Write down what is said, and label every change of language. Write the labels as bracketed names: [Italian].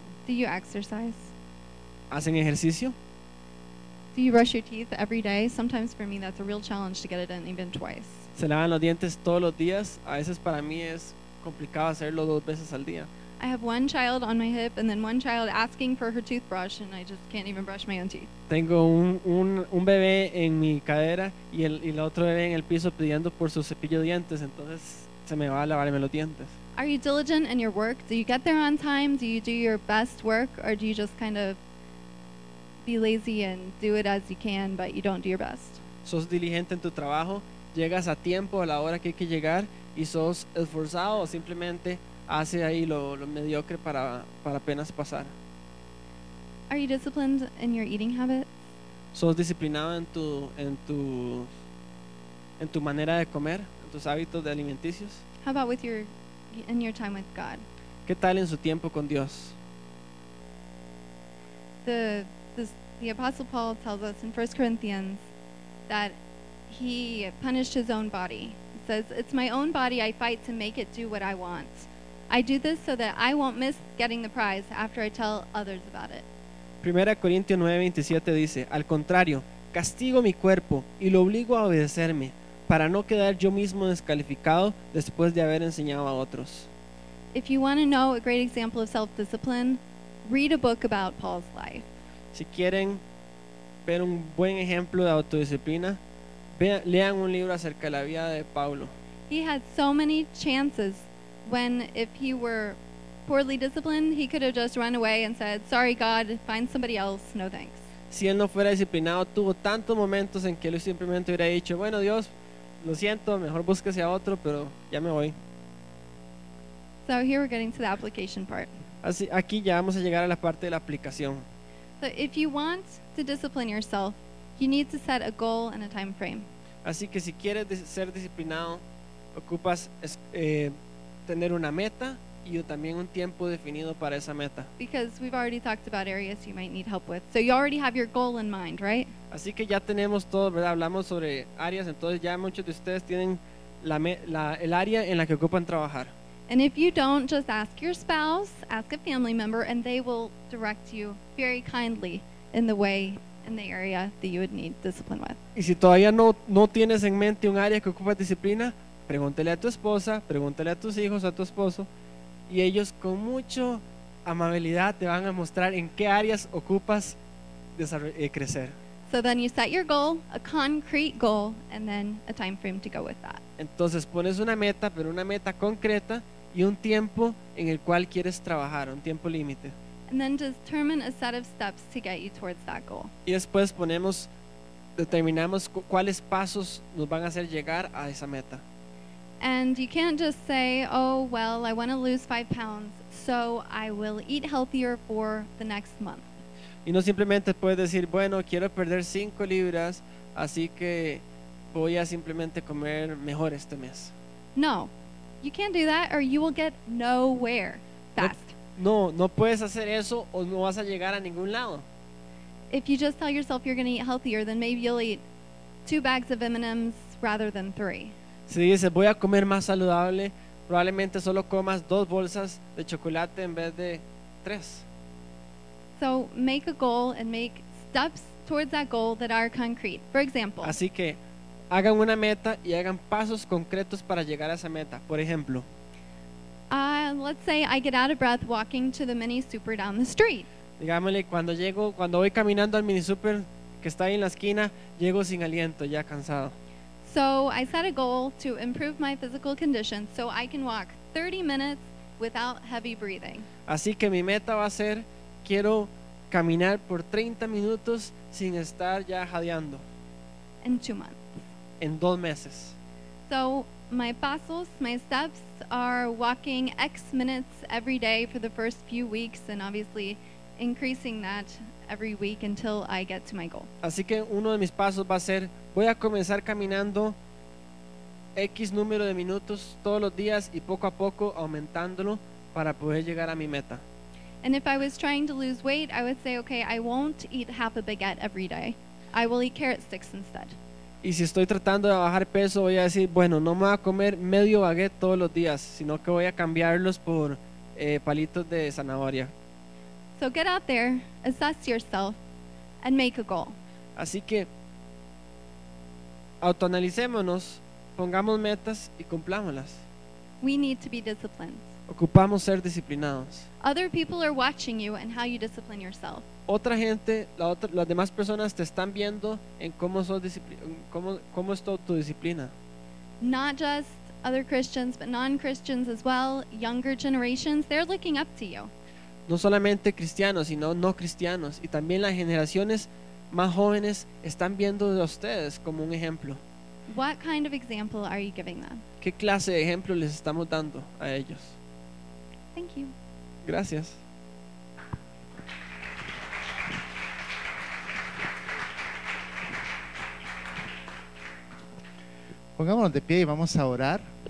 [English] Do you exercise? [Spanish] ¿Hacen ejercicio? [English] Do you brush your teeth every day? Sometimes for me that's a real challenge to get it in even twice. [Spanish] Se lavan los dientes todos los días. A veces para mí es complicado hacerlo 2 veces al día. [English] I have one child on my hip and then one child asking for her toothbrush and I just can't even brush my own teeth. [Spanish] Tengo un bebé en mi cadera y el otro bebé en el piso pidiendo por su cepillo de dientes, entonces se me va a lavarme los dientes. [English] Are you diligent in your work? Do you get there on time? Do you do your best work or do you just kind of be lazy and do it as you can but you don't do your best? [Spanish] ¿Sos diligente en tu trabajo? ¿Llegas a tiempo a la hora que hay que llegar y sos esforzado, o simplemente hace ahí lo mediocre para apenas pasar. [English] Are you disciplined in your eating habits? [Spanish] ¿Sos disciplinado en tu manera de comer, en tus hábitos de alimenticios? [English] How about with your in your time with God? [Spanish] ¿Qué tal en su tiempo con Dios? [English] The Apostle Paul tells us in 1 Corinthians that he punished his own body. He says, "It's my own body I fight to make it do what I want. I do this so that I won't miss getting the prize after I tell others about it." [Spanish] 1 Corintios 9:27 dice, "Al contrario, castigo mi cuerpo y lo obligo a obedecerme para no quedar yo mismo descalificado después de haber enseñado a otros." [English] If you want to know a great example of self-discipline, read a book about Paul's life. [Spanish] Si quieren ver un buen ejemplo de autodisciplina, lean un libro acerca de la vida de Pablo. [English] He had so many chances when, if he were poorly disciplined, he could have just run away and said, "Sorry, God, find somebody else. No thanks." [Spanish] Si él no fuera disciplinado, tuvo tantos momentos en que él simplemente hubiera dicho, "Bueno, Dios, lo siento, mejor búsquese a otro, pero ya me voy." [English] So here we're getting to the application part. [Spanish] Así, aquí ya vamos a llegar a la parte de la aplicación. [English] So if you want to discipline yourself, you need to set a goal and a time frame. [Spanish] Así que si quieres ser disciplinado, ocupas tener una meta y también un tiempo definido para esa meta. [English] Because we've already talked about areas you might need help with. So you already have your goal in mind, right? [Spanish] Así que ya tenemos todo, ¿verdad? Hablamos sobre áreas, entonces ya muchos de ustedes tienen el área en la que ocupan trabajar. [English] And if you don't, just ask your spouse, ask a family member, and they will direct you very kindly in the way, in the area that you would need discipline with. [Spanish] Y si todavía no tienes en mente un área que ocupa disciplina, pregúntele a tu esposa, pregúntele a tus hijos, a tu esposo, y ellos con mucha amabilidad te van a mostrar en qué áreas ocupas crecer. [English] So then you set your goal, a concrete goal, and then a time frame to go with that. [Spanish] Entonces pones una meta, pero una meta concreta y un tiempo en el cual quieres trabajar, un tiempo límite. [English] And then determine a set of steps to get you towards that goal. [Spanish] Y después determinamos cuáles pasos nos van a hacer llegar a esa meta. [English] And you can't just say, "Oh, well, I want to lose 5 pounds, so I will eat healthier for the next month." [Spanish] Y no simplemente puedes decir, "Bueno, quiero perder 5 libras, así que voy a simplemente comer mejor este mes." [English] No, you can't do that or you will get nowhere fast. [Spanish] No puedes hacer eso o no vas a llegar a ningún lado. [English] If you just tell yourself you're going to eat healthier, then maybe you'll eat 2 bags of M&Ms rather than 3. [Spanish] Si dices, "Voy a comer más saludable," probablemente solo comas 2 bolsas de chocolate en vez de 3. [English] So make a goal and make steps towards that goal that are concrete. For example, [Spanish] así que hagan una meta y hagan pasos concretos para llegar a esa meta. Por ejemplo, [English] let's say I get out of breath walking to the mini super down the street. [Spanish] Digámosle, cuando voy caminando al mini super que está ahí en la esquina, llego sin aliento, ya cansado. [English] So I set a goal to improve my physical condition so I can walk 30 minutes without heavy breathing. [Spanish] Así que mi meta va a ser, quiero caminar por 30 minutos sin estar ya jadeando. [English] In 2 months. [Spanish] En 2 meses. [English] So my pasos, my steps are walking X minutes every day for the first few weeks and obviously increasing that every week until I get to my goal. [Spanish] Así que uno de mis pasos va a ser, voy a comenzar caminando X número de minutos todos los días y poco a poco aumentándolo para poder llegar a mi meta. [English] And if I was trying to lose weight, I would say, "Okay, I won't eat half a baguette every day. I will eat carrot sticks instead." [Spanish] Y si estoy tratando de bajar peso, voy a decir, "Bueno, no me voy a comer medio baguette todos los días, sino que voy a cambiarlos por palitos de zanahoria." [English] So get out there, assess yourself, and make a goal. [Spanish] Así que autoanalicémonos, pongamos metas y cumplámoslas. [English] We need to be disciplined. [Spanish] Ocupamos ser disciplinados. [English] Other people are watching you and how you discipline yourself. [Spanish] Otra gente, las demás personas te están viendo en cómo es tu disciplina. [English] Not just other Christians, but non-Christians as well, younger generations, they're looking up to you. [Spanish] No solamente cristianos, sino no cristianos, y también las generaciones más jóvenes están viendo a ustedes como un ejemplo. [English] What kind of example are you giving them? [Spanish] ¿Qué clase de ejemplo les estamos dando a ellos? [English] Thank you. [Spanish] Gracias. Pongámonos de pie y vamos a orar.